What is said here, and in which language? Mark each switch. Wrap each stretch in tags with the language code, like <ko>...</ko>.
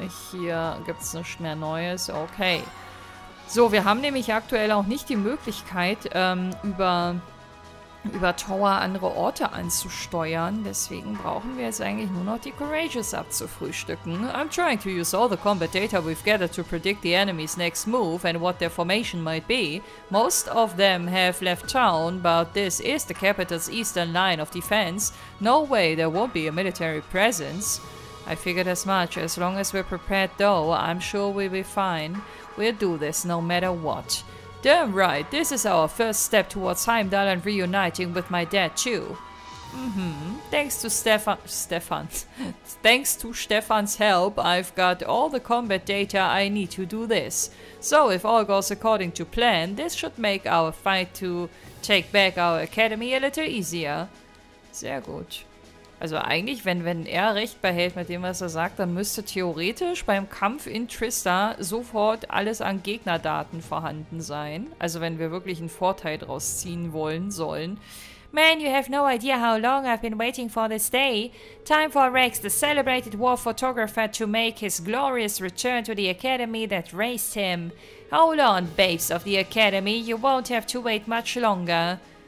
<de>Hier gibt's noch mehr Neues. Okay. So, wir haben nämlich aktuell auch nicht die Möglichkeit, über Tower andere Orte anzusteuern. Deswegen brauchen wir jetzt eigentlich nur noch die Courageous abzufrühstücken.</de> <en>I'm trying to use all the combat data we've gathered to predict the enemy's next move and what their formation might be. Most of them have left town, but this is the capital's eastern line of defense. No way there won't be a military presence. I figured as much. As long as we're prepared though, I'm sure we'll be fine. We'll do this no matter what. Damn right, this is our first step towards Heimdall and reuniting with my dad too. Mm-hmm. Thanks to Stefan's help, I've got all the combat data I need to do this. So if all goes according to plan, this should make our fight to take back our academy a little easier.</en> <de>Sehr gut. Also eigentlich, wenn er recht behält mit dem, was er sagt, dann müsste theoretisch beim Kampf in Trista sofort alles an Gegnerdaten vorhanden sein. Also wenn wir wirklich einen Vorteil draus ziehen wollen, sollen.</de> <en>Man, you have no idea how long I've been waiting for this day. Time for Rex, the celebrated war photographer, to make his glorious return to the academy that raised him. Hold on, babes of the academy, you won't have to wait much longer.</en>